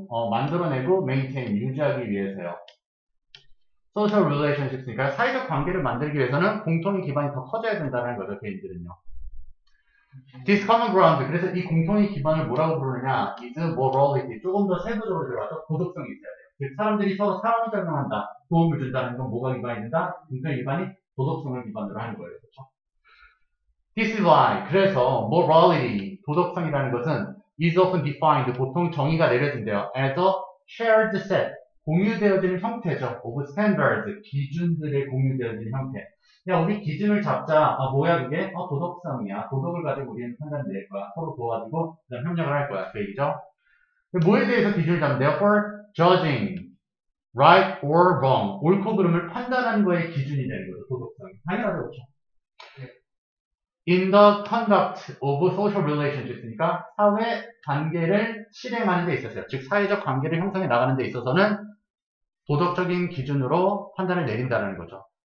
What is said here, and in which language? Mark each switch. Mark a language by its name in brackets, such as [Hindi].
[Korean] 만들어내고 maintain 유지하기 위해서요. Social relationships 니까 사회적 관계를 만들기 위해서는 공통의 기반이 더 커져야 된다는 거죠 개인들은요. This common ground 그래서 이 공통의 기반을 뭐라고 부르느냐 is morality 조금 더 세부적으로 들어가서 도덕성이 있어야 돼요. 그 사람들이 서로 상호작용한다 도움을 준다는 건 뭐가 기반이 된다? 공통의 기반이 도덕성을 기반으로 하는 거예요. 그렇죠? This is why 그래서 morality 도덕성이라는 것은 is often defined, 보통 정의가 내려진대요. [English] as a shared set, 공유되어지는 형태죠. [Korean] of standards, 기준들의 공유되어지는 형태. 야, 우리 기준을 잡자. 아, 뭐야, 그게? 도덕성이야. 도덕을 가지고 우리는 판단 낼 거야. 서로 도와주고, 그다음 협력을 할 거야. 그 얘기죠. 뭐에 대해서 기준을 잡는데요? [English] for judging, right or wrong. [Korean] 옳고 그름을 판단하는 거에 기준이 되는 거죠. 도덕성이. 당연하죠, 그렇죠? [English] In the conduct of social relationships니까 사회 관계를 실행하는 데 있어서요. [Korean] 즉 사회적 관계를 형성해 나가는 데 있어서는 도덕적인 기준으로 판단을 내린다는 거죠.